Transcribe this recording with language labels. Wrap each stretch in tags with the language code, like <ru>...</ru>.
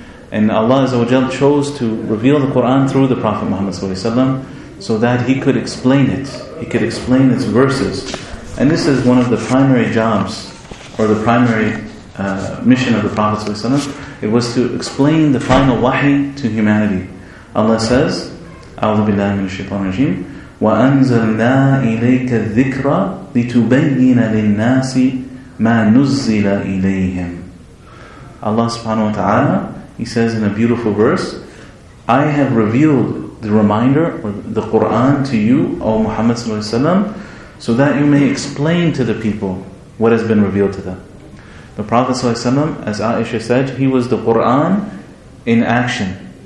<en>And Allah Azza wa Jalla chose to reveal the Qur'an through the Prophet Muhammad ﷺ so that he could explain it. He could explain its verses. And this is one of the primary jobs, or the primary mission of the Prophet ﷺ. It was to explain the final wahi to humanity. Allah says,</en> <ar>أعوذ بالله من الشيطان الرجيم وَأَنزَلْنَا إِلَيْكَ الذِّكْرَ لِتُبَيِّنَ لِلنَّاسِ مَا نُزِّلَ إِلَيْهِمْ.</ar> <en>Allah subhanahu wa ta'ala, he says in a beautiful verse, I have revealed the reminder, or the Qur'an, to you, O Muhammad sallallahu alayhi wa sallam, so that you may explain to the people what has been revealed to them. The Prophet sallallahu alayhi wa sallam, as Aisha said, he was the Qur'an in action.</en>